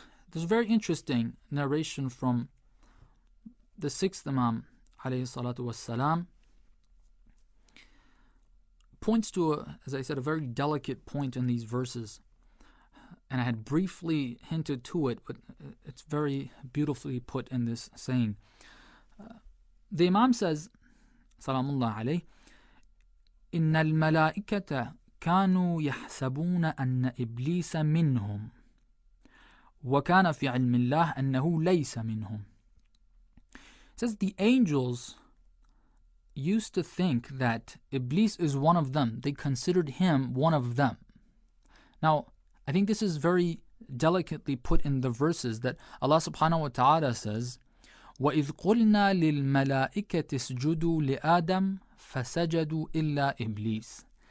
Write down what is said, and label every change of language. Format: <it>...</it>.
<en>There's a very interesting narration from the sixth Imam, alayhi salatu wassalam, points to, as I said, a very delicate point in these verses. And I had briefly hinted to it, but it's very beautifully put in this saying. The Imam says, salamullah alayhi,</en> <ar>إِنَّ الْمَلَائِكَةَ كَانُوا يَحْسَبُونَ أَنَّ إِبْلِيسَ مِنْهُمْ وَكَانَ فِي عِلْمِ اللَّهِ أَنَّهُ لَيْسَ مِنْهُمْ.</ar> <en>It says the angels used to think that Iblis is one of them. They considered him one of them. Now, I think this is very delicately put in the verses that Allah subhanahu wa ta'ala says,</en> <ar>وَإِذْ قُلْنَا لِلْمَلَائِكَةِ اسْجُدُوا لِآدَمَ فَسَجَدُوا إِلَّا إِبْلِيسَ.</ar>